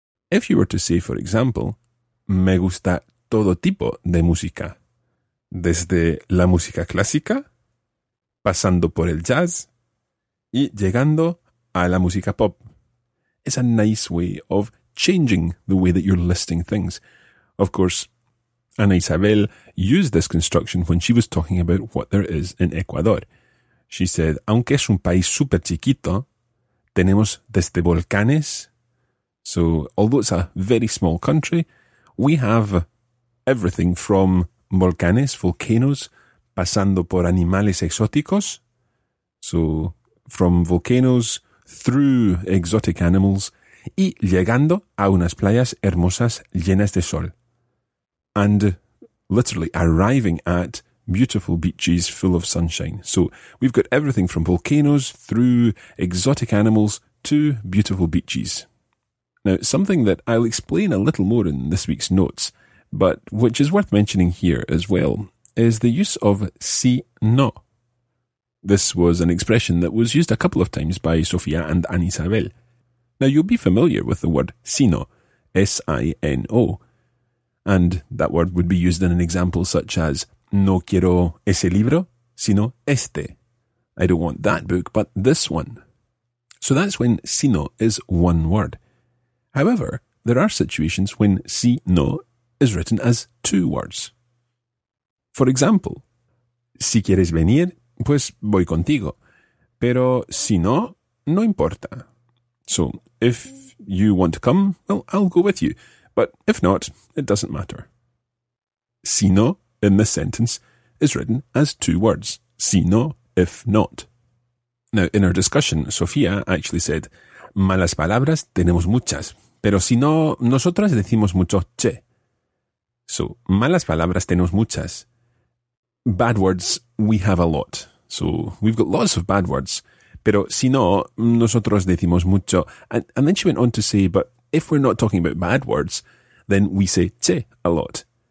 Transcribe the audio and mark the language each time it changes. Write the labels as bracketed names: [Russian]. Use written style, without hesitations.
[English] If you were to say, for example, [Spanish] me gusta todo tipo de música, desde la música clásica, pasando por el jazz y llegando a la música pop. [English] It's a nice way of changing the way that you're listing things. Of course, Ana Isabel used this construction when she was talking about what there is in Ecuador. She said, [Spanish] aunque es un país súper chiquito, tenemos desde volcanes. [English] So, although it's a very small country, we have everything from volcanes, volcanoes, [Spanish] pasando por animales exóticos, [English] so from volcanoes through exotic animals, [Spanish] y llegando a unas playas hermosas llenas de sol. [English] And literally arriving at beautiful beaches full of sunshine. So we've got everything from volcanoes through exotic animals to beautiful beaches. Now, something that I'll explain a little more in this week's notes, but which is worth mentioning here as well, is the use of si no. This was an expression that was used a couple of times by Sofía and Ana Isabel. Now, you'll be familiar with the word sino, S-I-N-O, and that word would be used in an example such as [Spanish] no quiero ese libro, sino este. [English] I don't want that book, but this one. So that's when sino is one word. However, there are situations when sino is written as two words. For example, [Spanish] si quieres venir, pues voy contigo. Pero si no, no importa. [English] So, if you want to come, well, I'll go with you. But if not, it doesn't matter. [Spanish] Si no, [English] in this sentence, is written as two words. [Spanish] Si no, [English] if not. Now, in our discussion, Sofía actually said, [Spanish] malas palabras tenemos muchas, pero si no, nosotras decimos mucho che. So, malas palabras tenemos muchas. [English] Bad words, we have a lot. So, we've got lots of bad words. [Spanish] Pero si no, nosotros decimos mucho. [English] And then she went on to say, but if we're not talking about bad words, then we say che a lot.